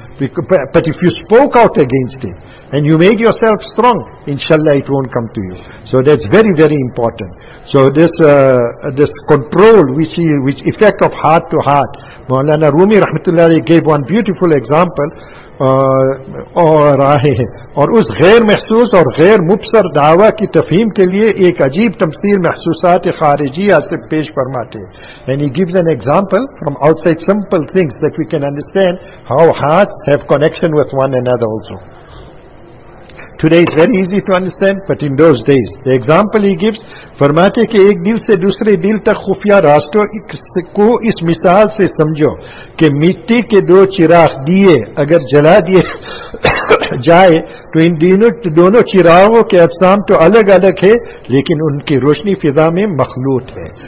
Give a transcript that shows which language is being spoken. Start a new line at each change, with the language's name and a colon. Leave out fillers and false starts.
English: But if you spoke out against it and you made yourself strong, inshallah it won't come to you. So that's very, very important. So this control, which effect of heart to heart, Maulana Rumi rahmatullahi gave one beautiful example.
Urdu: اور اس غیر محسوس اور غیر مبصر دعویٰ کی تفہیم کے لیے ایک عجیب تمثیل محسوسات خارجیہ سے پیش فرماتے ہیں.
English: And he gives an example from outside simple things that we can understand how hearts have connection with one another also. Today it's very easy to understand, but in those days. The example he gives,
Urdu: فرماتے کہ ایک دل سے دوسرے دل تک خفیہ راستوں کو اس مثال سے سمجھو کہ مٹی کے دو چراغ دیے اگر جلا دیے جائے تو ان دونوں چراغوں کے اجسام تو الگ الگ ہے لیکن ان کی روشنی فضا میں مخلوط ہے.